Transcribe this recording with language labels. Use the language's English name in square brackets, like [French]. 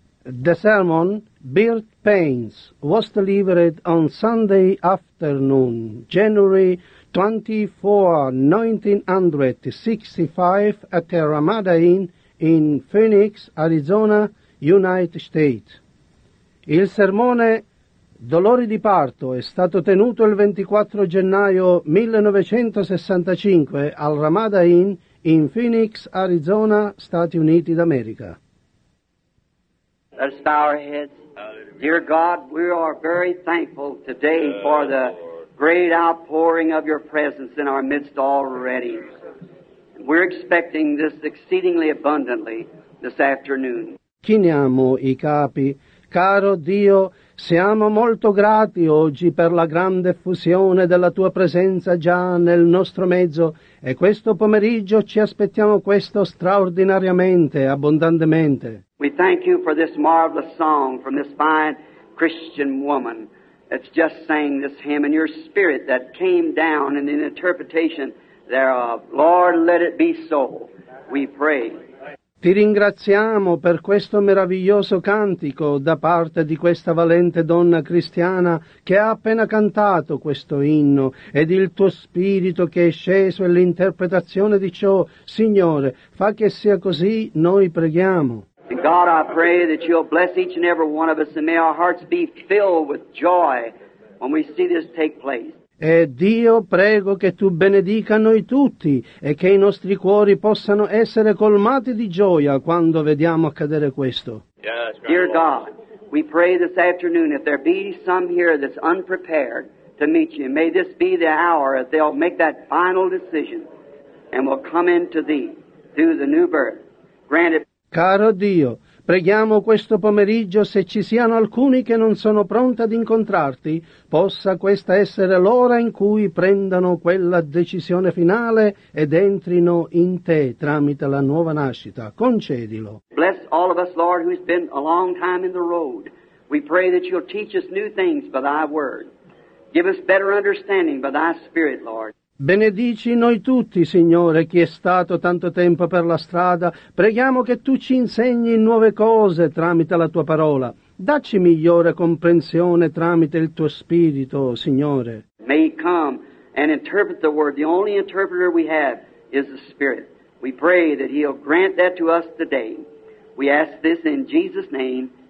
[English] The sermon Bert Payne's was delivered on Sunday afternoon, January 24, 1965, at a Ramada Inn in Phoenix, Arizona, United States. [Italian] Il sermone Dolori di parto è stato tenuto il 24 gennaio 1965 al Ramada Inn in Phoenix, Arizona, Stati Uniti d'America. [English] Let us bow our heads. Dear God, we are very thankful today for the great outpouring of your presence in our midst already. We're expecting this exceedingly abundantly this afternoon. [Italian] Chiniamo i capi. Caro Dio, siamo molto grati oggi per la grande effusione della Tua presenza già nel nostro mezzo e questo pomeriggio ci aspettiamo questo straordinariamente, abbondantemente. [English] We thank you for this marvelous song from this fine Christian woman that's just sang this hymn and your spirit that came down in an interpretation thereof. Lord, let it be so, we pray. [Italian] Ti ringraziamo per questo meraviglioso cantico da parte di questa valente donna cristiana che ha appena cantato questo inno ed il tuo spirito che è sceso e l'interpretazione di ciò. Signore, fa che sia così, noi preghiamo. [English] And God, I pray that you'll bless each and every one of us and may our hearts be filled with joy when we see this take place. [Italian] E Dio, prego che tu benedica noi tutti e che i nostri cuori possano essere colmati di gioia quando vediamo accadere questo. [English] Dear God, we pray this afternoon if there be some here that's unprepared to meet you, may this be the hour that they'll make that final decision and will come into thee through the new birth. Granted. [Italian] Caro Dio, preghiamo questo pomeriggio se ci siano alcuni che non sono pronti ad incontrarti, possa questa essere l'ora in cui prendano quella decisione finale ed entrino in te tramite la nuova nascita. Concedilo. [English] Bless all of us, Lord, who's been a long time in the road. We pray that you'll teach us new things by thy word. Give us better understanding by thy spirit, Lord. [Italian] Benedici noi tutti, Signore, chi è stato tanto tempo per la strada. Preghiamo che Tu ci insegni nuove cose tramite la Tua parola. Dacci migliore comprensione tramite il Tuo Spirito, Signore. [English] May He come and interpret the Word. The only interpreter we have is the Spirit. We pray that He'll grant that to us today. We ask this in Jesus' name.